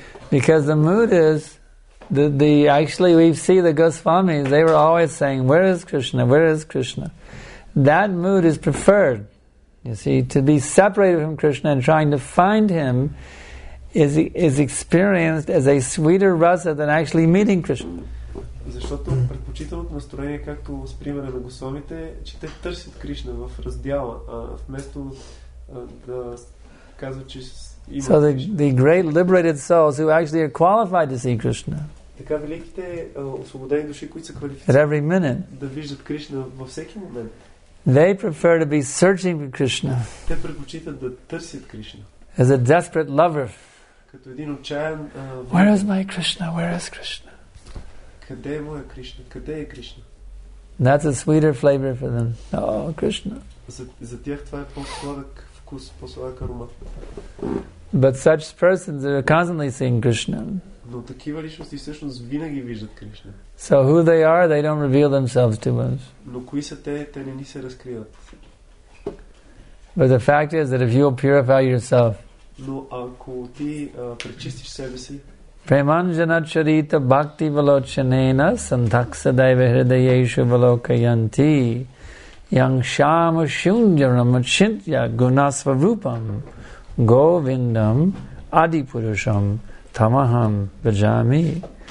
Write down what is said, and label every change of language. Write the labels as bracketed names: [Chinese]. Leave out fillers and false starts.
[English] Because the mood is, actually we see the Goswamis, they were always saying, where is Krishna? Where is Krishna? That mood is preferred. You see, to be separated from Krishna and trying to find him is experienced as a sweeter rasa than actually meeting Krishna. [Bulgarian] Защото предпочитаното настроение, както с примера на госомите, че те търсят Кришна в раздяла, вместо да казват, че има. [English] So the great liberated souls who actually are qualified to see Krishna. [Bulgarian] Така великите освободени души, които са квалифицирани да виждат Кришна във всеки момент. [English] They prefer to be searching for Krishna. [Bulgarian] Те предпочитат да търсят Кришна. [English] As a desperate lover. [Bulgarian] Като един отчаян. [English] Where is my Krishna? Where is Krishna? [Bulgarian] Къде е моя Кришна? Къде е Кришна? [English] That's a sweeter flavor for them. Oh, Krishna. [Bulgarian] За тях това е по-сладък вкус, по-сладък аромат. [English] But such persons are constantly seeing Krishna. [Bulgarian] Но такива личности всъщност винаги виждат Кришна. [English] So who they are, they don't reveal themselves to us. [Bulgarian] Но кои са те, те не ни се разкриват. [English] But the fact is that if you purify yourself, [Bulgarian] но ако ти пречистиш себе си, [Sanskrit] Premanjana charita bhakti valochanena santaksa daiva hridayeshu valokayanti yang shama shunjaram chintya gunasvarupam govindam adipurusham tamaham vajami.